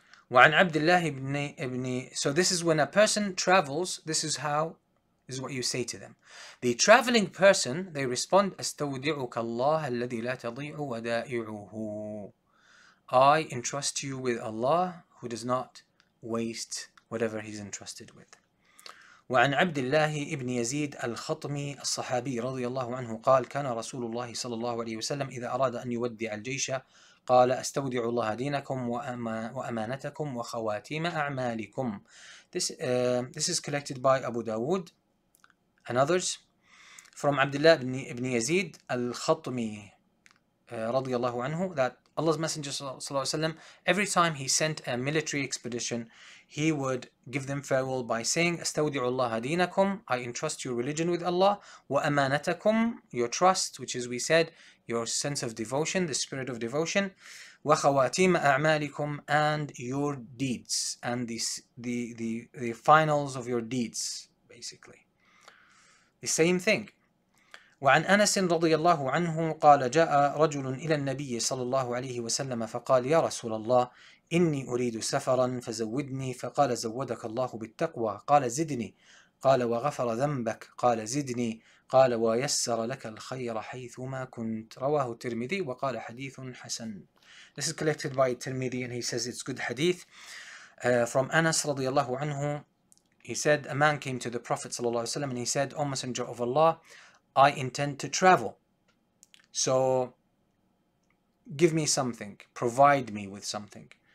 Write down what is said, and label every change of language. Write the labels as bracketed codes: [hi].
[ar] وعن عبد الله ابن [en] So this is when a person travels, this is how, this is what you say to them. The traveling person, they respond, [ar] أستودعك الله الذي لا تضيع ودائعه. [en] I entrust you with Allah who does not waste whatever he's entrusted with. [ar] وعن عبد الله ابن يزيد الخطمي الصحابي رضي الله عنه قال كان رسول الله صلى الله عليه وسلم إذا أراد أن يودع الجيش قال استودع الله دينكم وأمانتكم وخواتيم أعمالكم. [en] This is collected by Abu Dawood and others from Abdullah ibn Yazid al-Khatmi رضي الله عنه, that Allah's Messenger صلى الله عليه وسلم, every time he sent a military expedition, he would give them farewell by saying [ar] استودع الله دينكم, [en] I entrust your religion with Allah, وأمانتكم, your trust, which as we said, your sense of devotion, the spirit of devotion, [ar] وخواتيم أعمالكم, [en] and your deeds, and the finals of your deeds, basically. The same thing. [ar] وعن أنس رضي الله عنه قال جاء رجل إلى النبي صلى الله عليه وسلم فقال يا رسول الله إني أريد سفرا فزودني, فقال زودك الله بالتقوى, قال زدني, قال وغفر ذنبك, قال زدني, قال ويسر لك الخير حيثما كنت, رواه الترمذي وقال حديث حسن. [en] This is collected by Tirmidhi and he says it's good hadith. From Anas رضي الله عنه, he said a man came to the Prophet صلى الله عليه وسلم and he said, O Messenger of Allah, I intend to travel, so give me something, provide me with something.